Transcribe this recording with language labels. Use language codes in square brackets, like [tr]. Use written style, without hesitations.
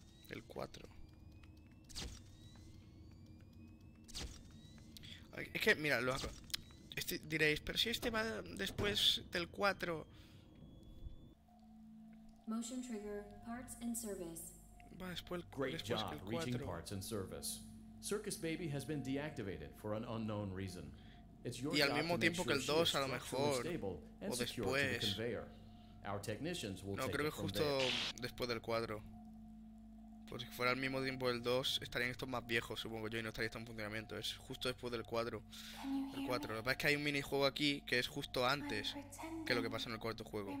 [es] El 4. Es que, mira, lo hago. Este, diréis, pero si este va después del 4. [en] Motion trigger, parts and service. [es] Va después del 4. [en] Great job, reaching parts and service. Circus Baby has been deactivated for an unknown reason. It's your [es] y al mismo tiempo que el 2, a lo mejor. O después. [en] Our technicians will [es] no, creo que justo después del 4. Pues si fuera al mismo tiempo del 2, estarían estos más viejos, supongo yo, y no estaría en funcionamiento. Es justo después del 4. El 4. Lo que pasa es que hay un minijuego aquí que es justo antes que lo que pasa en el cuarto juego.